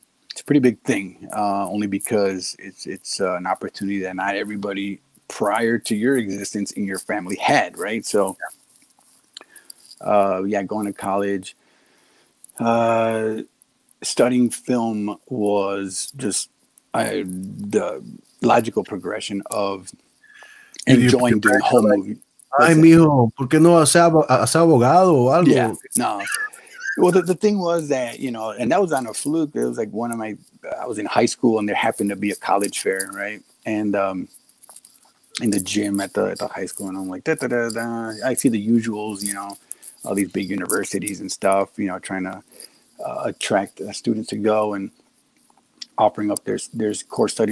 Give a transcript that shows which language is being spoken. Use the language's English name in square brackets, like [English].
[English] It's a pretty big thing, only because it's an opportunity that not everybody prior to your existence in your family had, right? So, going to college. Studying film was just the logical progression of enjoying doing whole movie. [Spanish] Ay, mijo, ¿por qué no hace abogado o algo? [English] Yeah, no. Well, the thing was that, you know, and that was on a fluke. It was like I was in high school, and there happened to be a college fair, right? And in the gym at the high school, and I'm like, da-da-da-da. I see the usuals, you know, all these big universities and stuff, you know, trying to attract students to go and offering up their course study.